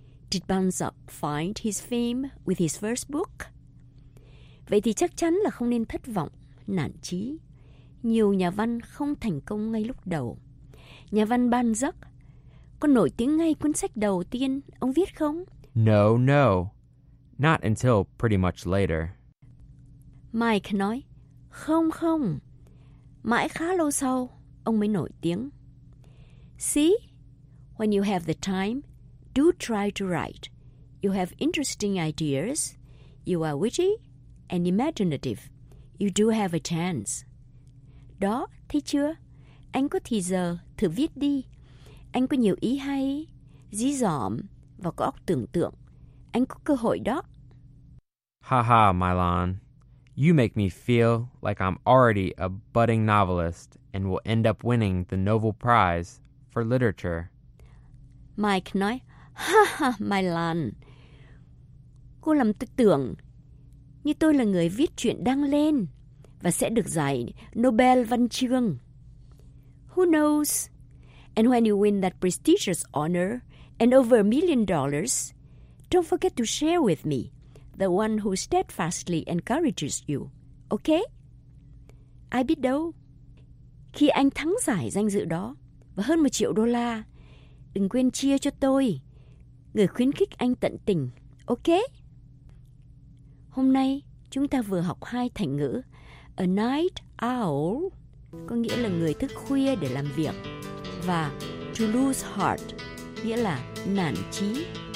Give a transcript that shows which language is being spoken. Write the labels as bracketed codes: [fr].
[en] Did Balzac find his fame with his first book? [vi] Vậy thì chắc chắn là không nên thất vọng, nản chí. Nhiều nhà văn không thành công ngay lúc đầu. Nhà văn Balzac có nổi tiếng ngay cuốn sách đầu tiên ông viết không? [en] No, no. Not until pretty much later. [vi] Mike nói, không, không. Mãi khá lâu sau, ông mới nổi tiếng. [en] See, when you have the time, do try to write. You have interesting ideas. You are witty and imaginative. You do have a chance. [vi] Đó, thấy chưa? Anh có thì giờ, thử viết đi. Anh có nhiều ý hay, dí dỏm và có óc tưởng tượng. Anh có cơ hội đó. [en] Ha ha, Mylon. You make me feel like I'm already a budding novelist and will end up winning the Nobel Prize for Literature. [vi] Mike nói, ha ha, Mylon. Cô làm tôi tưởng như tôi là người viết chuyện đăng lên và sẽ được giải Nobel văn chương. [en] Who knows? And when you win that prestigious honor and over $1 million, don't forget to share with me, the one who steadfastly encourages you. Okay? [vi] Ai biết đâu? Khi anh thắng giải danh dự đó và hơn $1 triệu, đừng quên chia cho tôi, người khuyến khích anh tận tình. Okay? Hôm nay, chúng ta vừa học hai thành ngữ. A night owl có nghĩa là người thức khuya để làm việc, và to lose heart nghĩa là nản chí.